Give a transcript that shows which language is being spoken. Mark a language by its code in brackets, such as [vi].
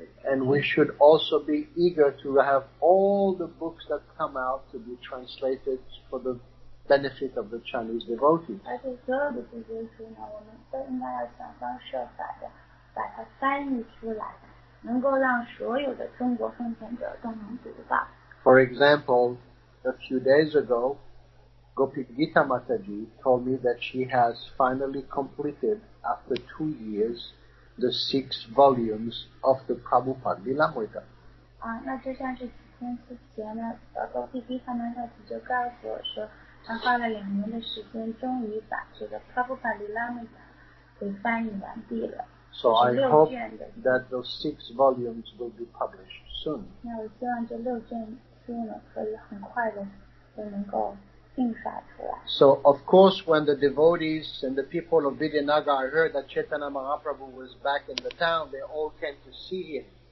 [en] And we should also be eager to have all the books that come out to be translated for the benefit of the Chinese devotees. [zh] 而且所有的这些书呢，我们都应该要想方设法的把它翻译出来，能够让所有的中国奉献者都能读到。 [en] For example, a few days ago, Gopi Gita Mataji told me that she has finally completed after 2 years. The 6 volumes of the Prabhupada Lilamrita. [zh] 那就像是几天之前呢，Gopi Gita Mataji就告诉我说，他花了2年的时间，终于把这个Prabhupada Lilamrita给翻译完毕了。 [en] So I hope that those 6 volumes will be published soon. [zh] 那我希望这六卷书呢，可以很快的就能够印刷出来。 [en] So, of course, when the devotees and the people of Vidyanagara heard that Chaitanya Mahaprabhu was back in the town, they all came to see him.